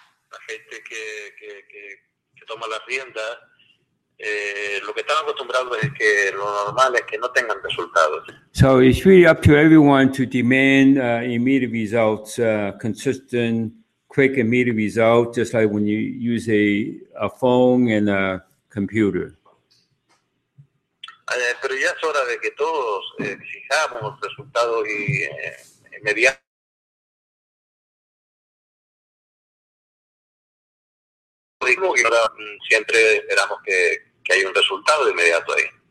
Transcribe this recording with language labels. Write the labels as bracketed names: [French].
[Spanish] La gente que toma las riendas, lo que están acostumbrados es que lo normal es que no tengan resultados. [English] So it's really up to everyone to demand immediate results, consistent, quick, immediate result, just like when you use a phone and a computer. [Spanish] Pero ya es hora de que todos exijamos resultados inmediatos. Y ahora siempre esperamos que haya un resultado inmediato ahí.